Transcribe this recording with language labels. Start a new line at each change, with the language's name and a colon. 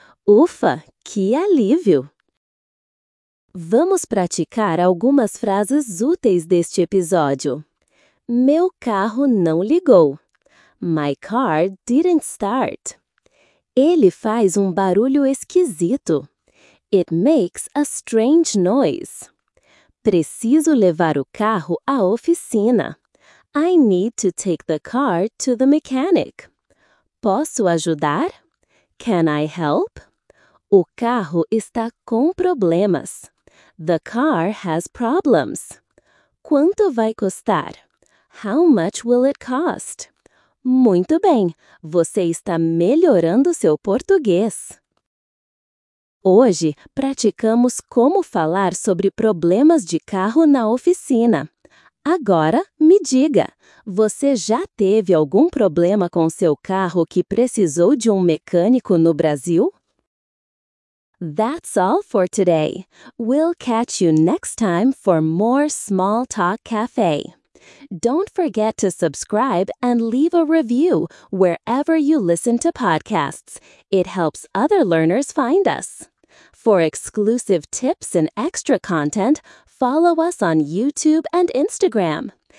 Portuguese: Ufa, que alívio! Vamos praticar algumas frases úteis deste episódio. Meu carro não ligou.
English: My car didn't start.
Portuguese: Ele faz barulho esquisito.
English: It makes a strange noise.
Portuguese: Preciso levar o carro à oficina.
English: I need to take the car to the mechanic.
Portuguese: Posso ajudar?
English: Can I help?
Portuguese: O carro está com problemas.
English: The car has problems.
Portuguese: Quanto vai custar?
English: How much will it cost?
Portuguese: Muito bem, você está melhorando seu português. Hoje, praticamos como falar sobre problemas de carro na oficina. Agora, me diga, você já teve algum problema com seu carro que precisou de mecânico no Brasil?
English: That's all for today. We'll catch you next time for more Small Talk Cafe. Don't forget to subscribe and leave a review wherever you listen to podcasts. It helps other learners find us. For exclusive tips and extra content, follow us on YouTube and Instagram.